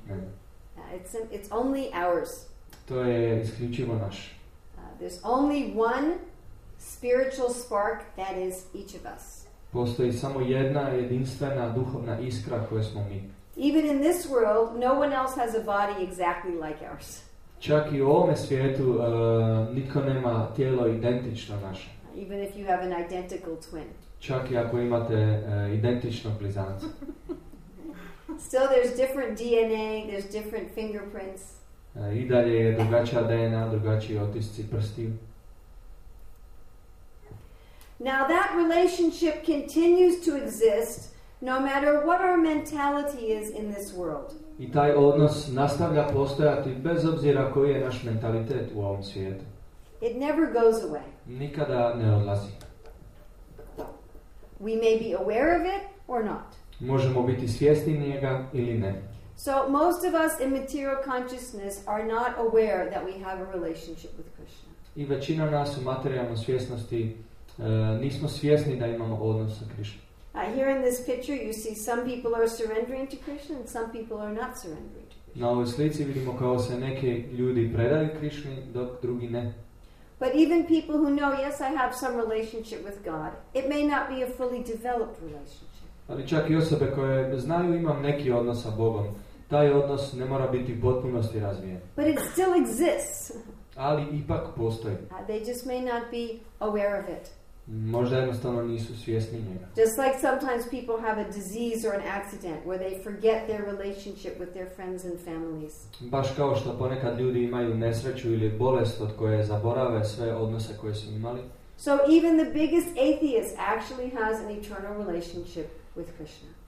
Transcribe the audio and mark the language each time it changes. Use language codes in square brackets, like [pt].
[hr] nema. [en] It's only ours. [hr] To je isključivo naš. [en] There's only one spiritual spark that is each of us. [hr] Postoji samo jedna jedinstvena duhovna iskra koju smo mi. [en] Even in this world, no one else has a body exactly like ours. [hr] Čak i u ovome svijetu nitko nema tijelo identično naše. [en] Even if you have an identical twin. [hr] Čak i ako imate identičnog blizanca. [en] Still there's different DNA, there's different fingerprints. [hr] I dalje je drugačija DNA, drugačiji otisci prstiju. [en] Now that relationship continues to exist no matter what our mentality is in this world. [hr] I taj odnos nastavlja postojati bez obzira koji je naš mentalitet u ovom svijetu. [en] It never goes away. [hr] Nikada ne odlazi. [en] We may be aware of it or not. [hr] Možemo biti svjesni njega ili ne. [en] So most of us in material consciousness are not aware that we have a relationship with Krishna. [hr] I većina nas u materijalnoj svjesnosti nismo svjesni da imamo odnos sa Krishnom. [en] Here in this picture you see some people are surrendering to Krishna and some people are not surrendering to Krishna. [hr] Na ovoj slici vidimo kao se neki ljudi predaju Krishni, dok drugi ne. [en] But even people who know, yes, I have some relationship with God, it may not be a fully developed relationship. [hr] Ali čak i osobe koje znaju imam neki odnos sa Bogom, taj odnos ne mora biti u potpunosti razvijen. [en] But it still exists. [hr] Ali ipak postoji. [en] They just may not be aware of it. [hr] Možda jednostavno nisu svjesni njega. [en] Just like sometimes people have a disease or an accident where they forget their relationship with their friends and families. [hr] Baš kao što ponekad ljudi imaju nesreću ili bolest od koje zaborave sve odnose koje su imali. [en] So even the biggest atheist actually has an eternal relationship with Krishna.